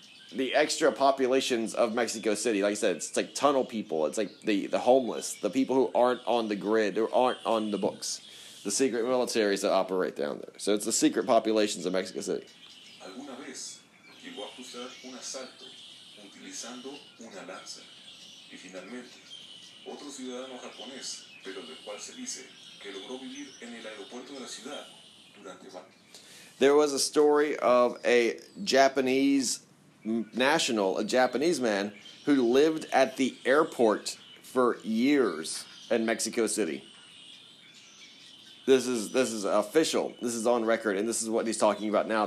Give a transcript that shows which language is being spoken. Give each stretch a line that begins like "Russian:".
English: The extra populations of Mexico City, like I said, it's like tunnel people. It's like the homeless, the people who aren't on the grid or aren't on the books. The secret militaries that operate down there. So it's the secret populations of Mexico City.
Spanish: ¿Alguna vez llegó a cruzar un asalto utilizando una lanza? Y finalmente, otro ciudadano japonés, pero del cual se dice que logró vivir en el aeropuerto de la ciudad durante
English: There was a story of a Japanese national, a Japanese man, who lived at the airport for years in Mexico City. This is official. This is on record, and this is what he's talking about now.